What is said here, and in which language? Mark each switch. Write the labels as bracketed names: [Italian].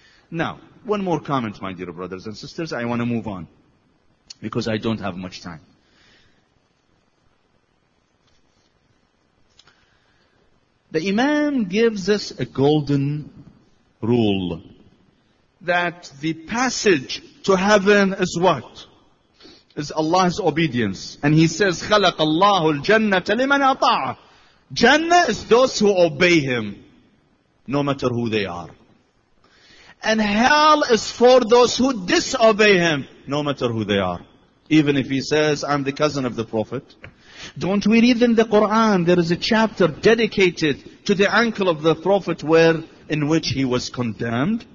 [English] Now, one more comment, my dear brothers and sisters. I want to move on because I don't have much time. The imam gives us a golden rule. That the passage to heaven is what? Is Allah's obedience. And he says, [Arabic] خلق الله الجنة لمن أطاع. [English] Jannah is those who obey him, no matter who they are. And hell is for those who disobey him, no matter who they are. Even if he says, I'm the cousin of the Prophet. Don't we read in the Quran, there is a chapter dedicated to the uncle of the Prophet in which he was condemned.